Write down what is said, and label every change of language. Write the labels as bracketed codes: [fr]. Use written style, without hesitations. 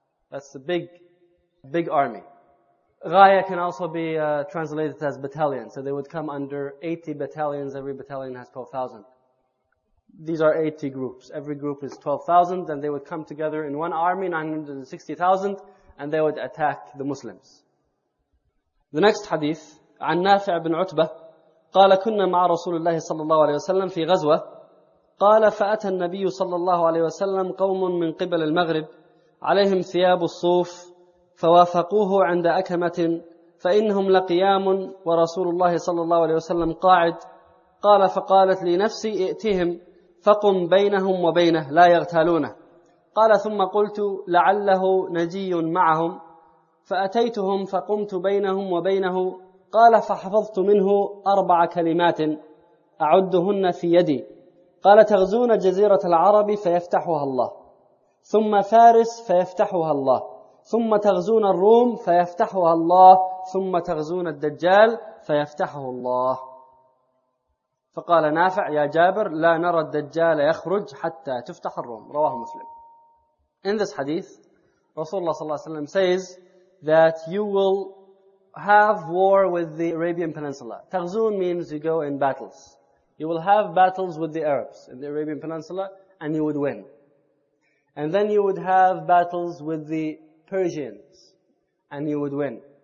[en] That's a big, big army. Ghaya can also be translated as battalion. So they would come under 80 battalions. Every battalion has 12,000. These are 80 groups. Every group is 12,000. Then they would come together in one army, 960,000. And they would attack the Muslims. The next hadith, [ar] عن نافع بن عتبة قال كنا مع رسول الله صلى الله عليه وسلم في غزوة قال فأتى النبي صلى الله عليه وسلم قوم من قبل المغرب عليهم ثياب الصوف فوافقوه عند أكمة فإنهم لقيام ورسول الله صلى الله عليه وسلم قاعد قال فقالت لنفسي ائتهم فقم بينهم وبينه لا يغتالونه قال ثم قلت لعله نجي معهم فأتيتهم فقمت بينهم وبينه قال فحفظت منه أربع كلمات أعدهن في يدي قال تغزون جزيرة العرب فيفتحها الله ثم فارس فيفتحها الله ثم تغزون الروم فيفتحها الله ثم تغزون الدجال فيفتحه الله فقال نافع يا جابر لا نرى الدجال يخرج حتى تفتح الروم رواه مسلم. [en] In this hadith, Rasulullah sallallahu alayhi wa sallam says that you will have war with the Arabian Peninsula. Taghzun means you go in battles. You will have battles with the Arabs in the Arabian Peninsula and you would win. And then you would have battles with the Persians and you would win.